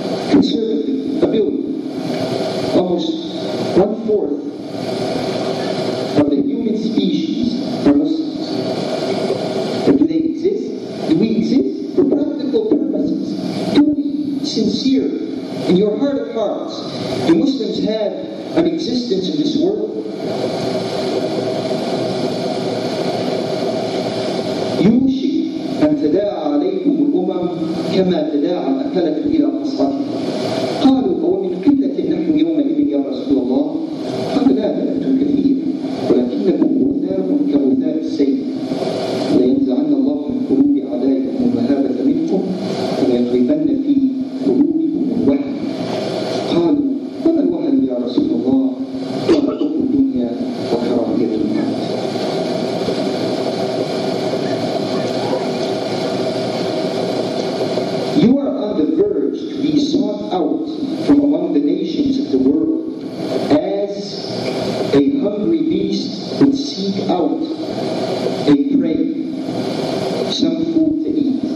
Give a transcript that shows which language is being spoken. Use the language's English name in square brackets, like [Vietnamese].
[English] Conservative, a billion. Almost one-fourth of the human species are Muslims. But do they exist? Do we exist for practical purposes? Do we, sincerely, in your heart of hearts, do Muslims have an existence in this world? [Arabic] يوشك أن تداعى عليكم الأمم كما تداعى الأكلة إلى أصحابها. قالوا ومن قلة نحن يومئذ يا رسول الله. قال لا أنتم كثير ولكنكم غثاء كغثاء السيل. لينزعن الله من قلوب أعدائكم المهابة منكم وليغلبن في قلوبكم الوهن. قالوا وما الوهن يا رسول الله؟ [English] You are on the verge to be sought out from among the nations of the world as a hungry beast would seek out a prey, some food to eat.